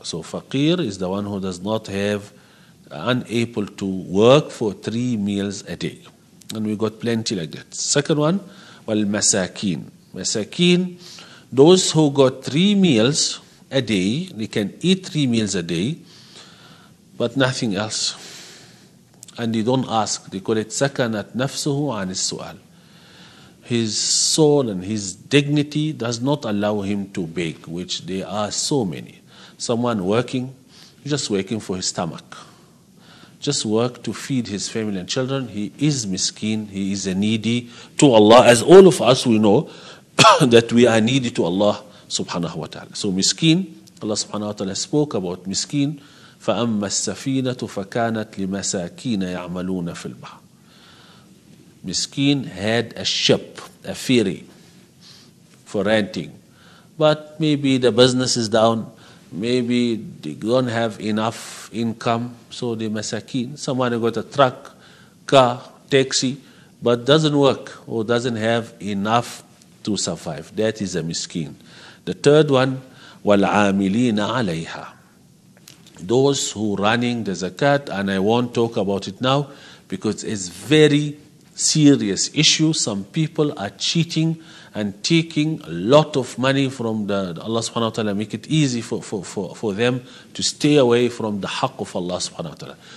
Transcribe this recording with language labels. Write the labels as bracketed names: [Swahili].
[English] So faqir is the one who does not have, unable to work for 3 meals a day. And we got plenty like that. Second one, والمساكين. مساكين, those who got 3 meals a day, they can eat 3 meals a day, but nothing else. And they don't ask. They call it [Arabic] سكنت نفسه عن السؤال. [English] His soul and his dignity does not allow him to beg, which there are so many. Someone working, just working for his stomach. Just work to feed his family and children. He is miskin, he is a needy to Allah, as all of us we know that we are needy to Allah subhanahu wa ta'ala. So miskin, Allah subhanahu wa ta'ala spoke about miskin. [Arabic] فَأَمَّا السَّفِينَةُ فَكَانَتْ لِمَسَاكِينَ يَعْمَلُونَ فِي الْبَحْرِ. [English] Miskin had a ship, a ferry for renting, but maybe the business is down. Maybe they don't have enough income, so the masakin, someone got a truck, car, taxi, but doesn't work or doesn't have enough to survive. That is a miskin. The third one, [Arabic] والعاملين عليها. [English] Those who are running the zakat, and I won't talk about it now because it's a very serious issue. Some people are cheating and taking a lot of money from the Allah subhanahu wa ta'ala, make it easy for them to stay away from the haqq of Allah subhanahu wa ta'ala.